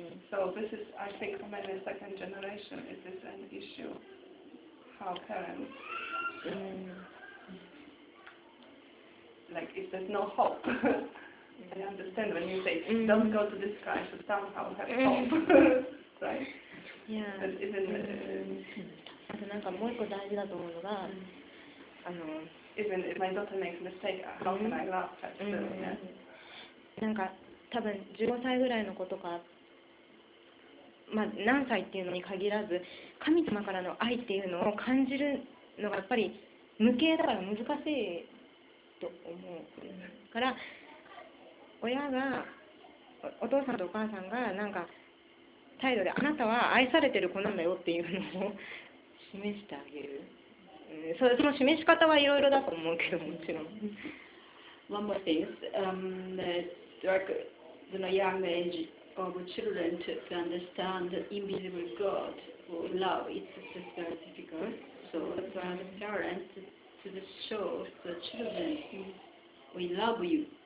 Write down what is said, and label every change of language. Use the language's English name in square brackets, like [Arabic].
[English] So this is, I think, for many second generation, it is an issue, how parents, like, if there's no hope. I understand when you say, don't go to this Christ, but somehow have hope, right? Yeah. But even, [Japanese] なんかもう一個大事だと思うのが、 [English] Even if my daughter makes mistake, how can I love her? [Japanese] なんか多分15歳ぐらいの子とか、まあ、何歳っていうのに限らず、神様からの愛っていうのを感じるのがやっぱり無形だから難しいと思うから、親が お父さんとお母さんがなんか態度であなたは愛されてる子なんだよっていうのを示してあげる。その示し方はいろいろだと思うけどもちろん。 [English] One more thing is, like the young age of children to understand the invisible God or love, it's very difficult. So to have parents to show the children, we love you.